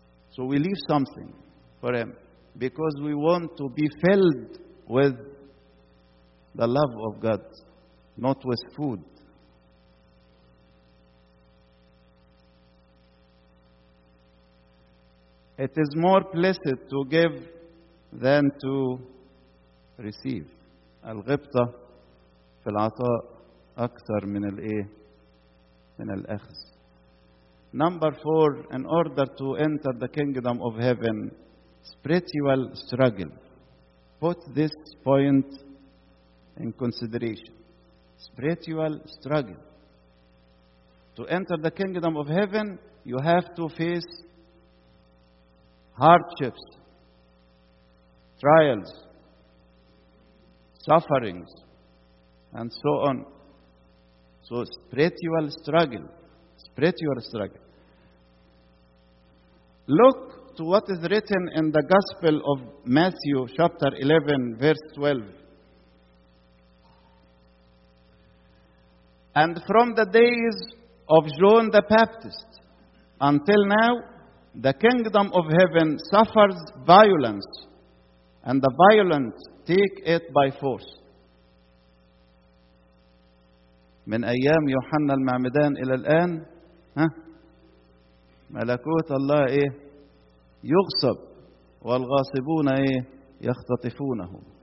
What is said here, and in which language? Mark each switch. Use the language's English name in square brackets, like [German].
[English] So we leave something for Him because we want to be filled with the love of God, not with food. It is more blessed to give than to receive. [Arabic] الغبطة في العطاء أكثر من الإيه؟ من الأخذ. [English] Number four, in order to enter the kingdom of heaven, spiritual struggle. Put this point in consideration. Spiritual struggle. To enter the kingdom of heaven, you have to face hardships, trials, sufferings, and so on. So spiritual struggle. Spiritual struggle. Look to what is written in the Gospel of Matthew, chapter 11, verse 12. And from the days of John the Baptist until now, the kingdom of heaven suffers violence, and the violent take it by force. [Arabic] من أيام يوحنا المعمدان إلى الآن ملكوت الله إيه؟ يغصب والغاصبون إيه؟ يختطفونه.